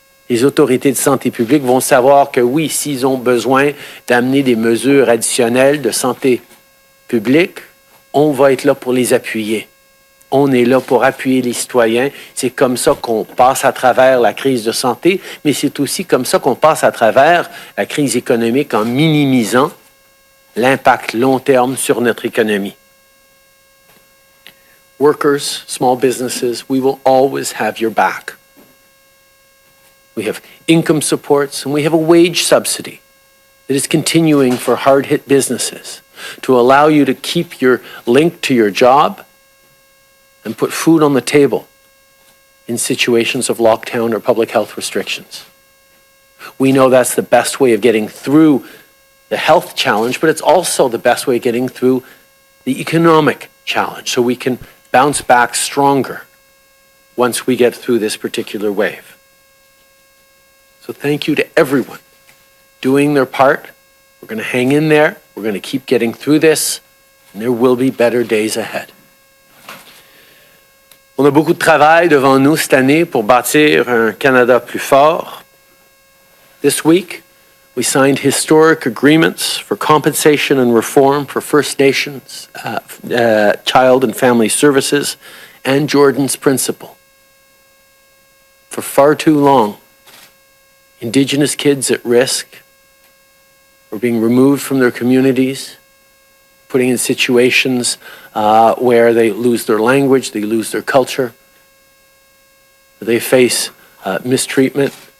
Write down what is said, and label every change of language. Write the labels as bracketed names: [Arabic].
[French] Les autorités de santé publique vont savoir que oui, s'ils ont besoin d'amener des mesures additionnelles de santé publique, on va être là pour les appuyer. On est là pour appuyer les citoyens. C'est comme ça qu'on passe à travers la crise de santé, mais c'est aussi comme ça qu'on passe à travers la crise économique en minimisant l'impact long terme sur notre économie. [English] Workers, small businesses, we will always have your back. We have income supports and we have a wage subsidy that is continuing for hard-hit businesses to allow you to keep your link to your job and put food on the table in situations of lockdown or public health restrictions. We know that's the best way of getting through the health challenge, but it's also the best way of getting through the economic challenge so we can bounce back stronger once we get through this particular wave. So thank you to everyone doing their part. We're going to hang in there. We're going to keep getting through this. And there will be better days ahead. [French] On a beaucoup de travail devant nous cette année pour bâtir un Canada plus fort. [English] This week, we signed historic agreements for compensation and reform for First Nations Child and Family Services and Jordan's Principle. For far too long, Indigenous kids at risk are being removed from their communities, putting in situations where they lose their language, they lose their culture, they face mistreatment.